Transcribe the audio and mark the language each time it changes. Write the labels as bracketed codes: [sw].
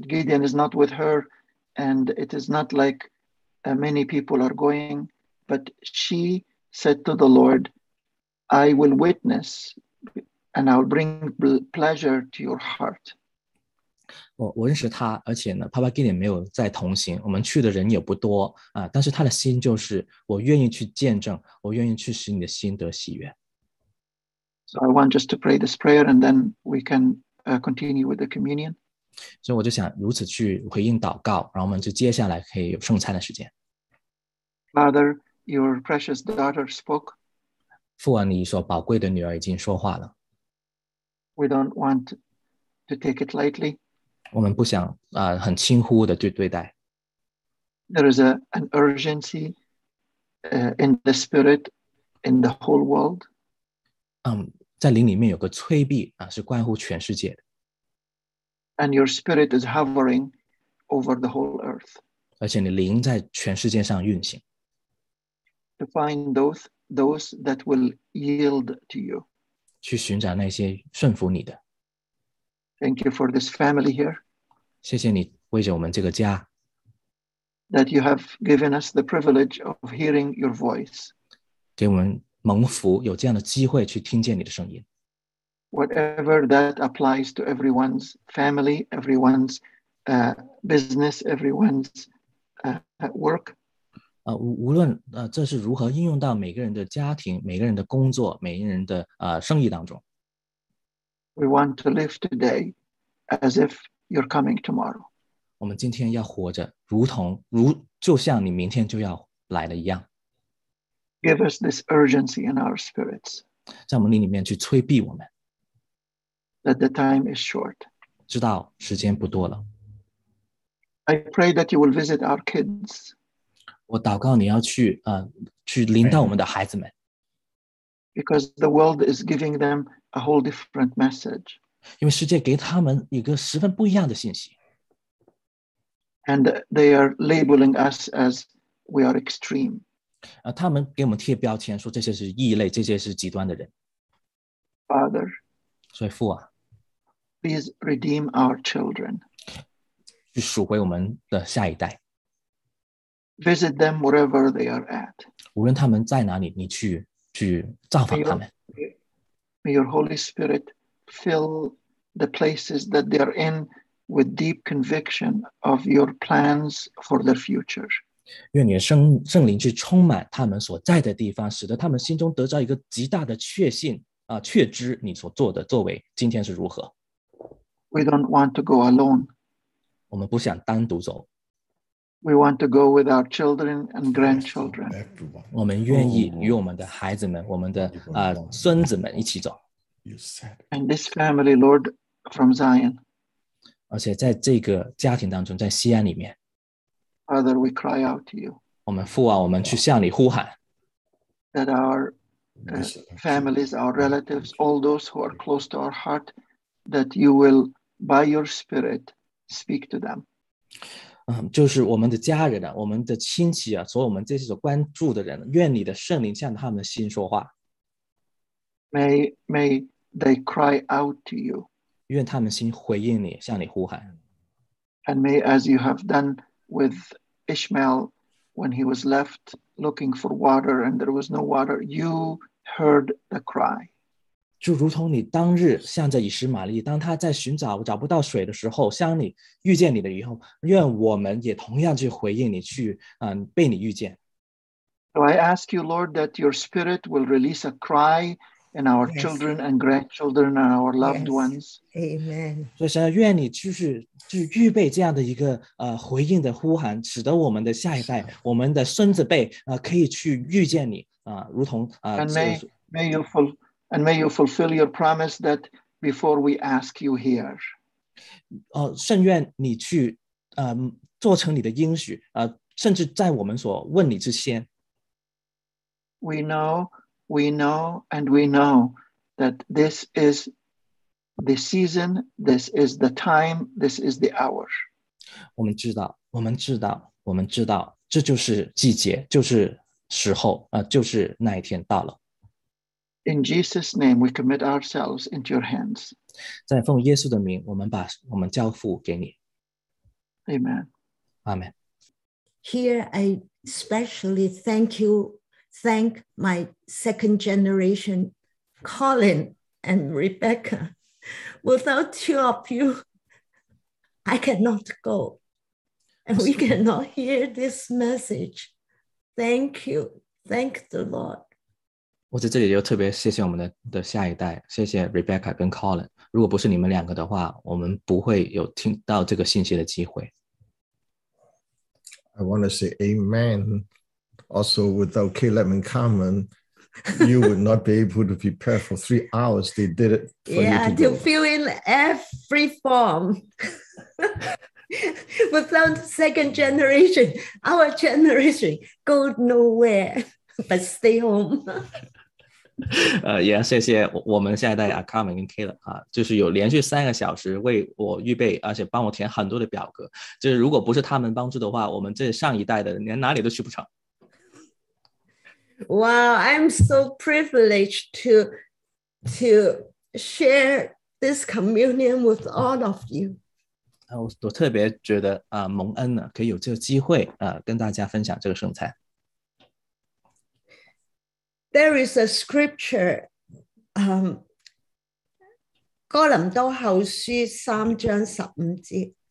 [en] Gideon is not with her, and it is not like many people are going. But she said to the Lord, "I will witness, and I'll bring pleasure to your heart." [zh] 我认识他，而且呢，帕帕基林没有在同行，我们去的人也不多但是他的心就是，我愿意去见证，我愿意去使你的心得喜悦。 [en] So I want just to pray this prayer and then we can continue with the communion. [zh] 所以我就想如此去回应祷告，然后我们就接下来可以有圣餐的时间。 [en] Father, your precious daughter spoke. [zh] 父啊，你所宝贵的女儿已经说话了。 [en] We don't want to take it lightly. [zh] 我们不想很轻忽的去对待。 [en] There is an urgency in the spirit, in the whole world. [zh] 在灵里面有个催逼是关乎全世界的。 [en] And your spirit is hovering over the whole earth. [zh] 而且你灵在全世界上运行。 [en] To find those that will yield to you. [zh] 去寻找那些顺服你的。 [en] Thank you for this family here. [zh] 谢谢你为着我们这个家。 [en] That you have given us the privilege of hearing your voice. [zh] 给我们蒙福有这样的机会去听见你的声音。 [en] Whatever that applies to everyone's family, everyone's business, everyone's work. [zh] 无论这是如何应用到每个人的家庭、每个人的工作、每个人的生意当中。 [en] We want to live today as if. You're coming tomorrow. [zh] 我们今天要活着，如同就像你明天就要来的一样。 [en] give us this urgency in our spirits. [zh] 在我们里面去催逼我们, [en] that the time is short. [zh] 知道时间不多了。 [en] I pray that you will visit our kids. [zh] 我祷告你要去, 去临到我们的孩子们。 [en] Because the world is giving them a whole different message. [zh] 因为世界给他们一个十分不一样的信息。 [en] And they are labeling us as we are extreme. [zh] 他们给我们贴标签说这些是异类，这些是极端的人。 [en] Father, [zh] 所以父啊, [en] please redeem our children. [zh] 去赎回我们的下一代。 [en] Visit them wherever they are at. [zh] 无论他们在哪里, 你去造访他们。 [en] May your Holy Spirit fill the places that they are in with deep conviction of your plans for the future. [zh] 愿你的圣灵去充满他们所在的地方, 使得他们心中得到一个极大的确信, 确知你所做的作为, 今天是如何。 [en] We don't want to go alone. [zh] 我们不想单独走。 [en] We want to go with our children and grandchildren. [zh] 我们愿意与我们的孩子们, 我们的, 孙子们一起走。 [en] And this family, Lord, from Zion. [zh] 而且在这个家庭当中, 在西安里面, [en] Father, we cry out to you. [zh] 我们父啊, 我们去向你呼喊, [en] that our families, our relatives, all those who are close to our heart, that you will, by your Spirit, speak to them. [zh] 就是我们的家人啊, 我们的亲戚啊, 所有我们这些所关注的人, 愿你的圣灵向他们的心说话。 [en] May they cry out to you. [zh] 愿他们心回应你, 向你呼喊。 [en] And may, as you have done with Ishmael, when he was left looking for water and there was no water, you heard the cry. [zh] 就如同你当日向着以实玛利, 当他在寻找, 找不到水的时候, 向你, 遇见你的以后, 愿我们也同样去回应你, 去, 被你遇见。 [en] So I ask you, Lord, that your Spirit will release a cry in our children and grandchildren and our loved ones. Amen. [zh] 所以神愿你就是预备这样的一个 回应的呼喊, 使得我们的下一代, 我们的孙子辈, 可以去遇见你, 如同, [en] And may you fulfill your promise that before we ask you here. [zh] 圣愿你去 做成你的应许, 甚至在我们所问你之先。 [en] We know, and we know that this is the season, this is the time, this is the hour. [zh] 我们知道, 这就是季节, 就是时候, 就是那一天到了。 [en] In Jesus' name, we commit ourselves into your hands. [zh] 在奉耶稣的名, 我们交付给你。 [en] Amen. Amen. Here, I especially thank you. Thank my second generation, Colin and Rebecca. Without two of you, I cannot go. And we cannot hear this message. Thank you. Thank the Lord. [zh] 我在这里又特别谢谢我们的下一代, 谢谢Rebecca跟Colin. 如果不是你们两个的话, 我们不会有听到这个信息的机会。 [en] I want to say amen. Also, without Caleb and Carmen, you would not be able to prepare for 3 hours. They did it for you to go. To fill in every form. Without second generation, our generation go nowhere but stay home. [zh] Yeah, 谢谢我们下一代啊, Carmen 跟 Caleb 啊, 就是有连续3个小时为我预备, 而且帮我填很多的表格, 就是如果不是他们帮助的话, 我们这上一代的, 连哪里都去不成。 [en] Wow, I'm so privileged to share this communion with all of you. [zh] 我特别觉得, 蒙恩呢, 可以有这个机会, 跟大家分享这个圣餐。 [en] There is a scripture, [zh] 哥林多后书3章15节。